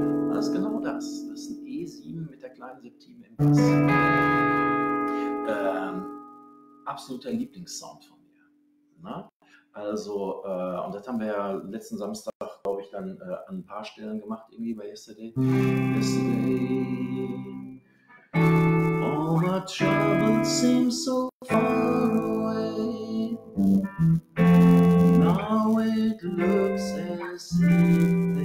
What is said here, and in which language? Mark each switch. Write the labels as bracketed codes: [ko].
[de] Das ist genau das. Das ist ein E7 mit der kleinen Septime im Bass. Absoluter Lieblingssound von mir. Na? Also, und das haben wir ja letzten Samstag, glaube ich, dann an ein paar Stellen gemacht, irgendwie bei Yesterday. [en] Yesterday, all my troubles seem so far away. Now it looks as if